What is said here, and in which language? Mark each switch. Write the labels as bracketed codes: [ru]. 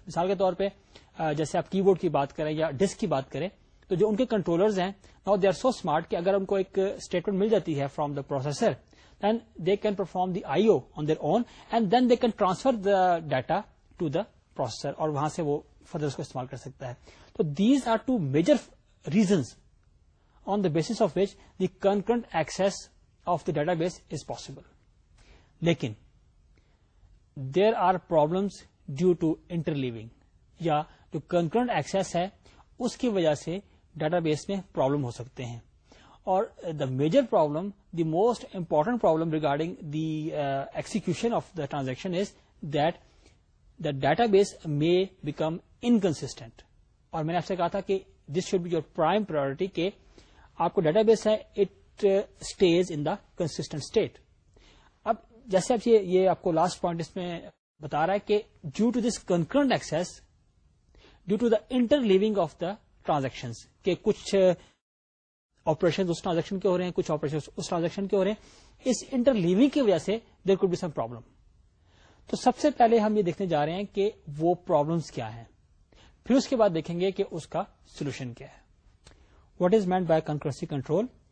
[ur] مثال کے طور پہ جیسے آپ کی بورڈ کی بات کریں یا ڈسک کی بات کریں تو جو ان کے کنٹرولرز ہیں [en] now they are so smart کہ اگر ان کو ایک اسٹیٹمنٹ مل جاتی ہے from the processor then they can perform the I O on their own and then they can transfer the data to the processor [ur] اور وہاں سے وہ فردر اس کو استعمال کر سکتا ہے. [en] تو these are two major reasons on the basis of which the concurrent access of the database is possible. [ur] لیکن [en] there are problems due to interleaving [ur] یا جو کنکرنٹ ایکسس ہے اس کی وجہ سے ڈیٹا بیس میں پرابلم ہو سکتے ہیں. [en] اور the major problem, the most important problem regarding the execution of the transaction is that the database may become inconsistent. [ur] اور میں نے آپ سے کہا تھا کہ [en] this should be your prime priority [ur] کہ آپ کو ڈیٹا بیس ہے, [en] It stays in the consistent state. [ur] اب جیسے اب یہ آپ کو لاسٹ پوائنٹ اس میں بتا رہا ہے کہ [en] due to this concurrent access due to the interleaving of the transaction [ur] کہ کچھ آپریشن اس ٹرانزیکشن کے ہو رہے ہیں کچھ آپریشن اس ٹرانزیکشن کے ہو رہے ہیں اس انٹرلیونگ کی وجہ سے [en] there could be some problem [ur] تو سب سے پہلے ہم یہ دیکھنے جا رہے ہیں کہ وہ پرابلمس کیا ہیں پھر اس کے بعد دیکھیں گے کہ اس کا سولوشن کیا ہے [en] what is meant by concurrency control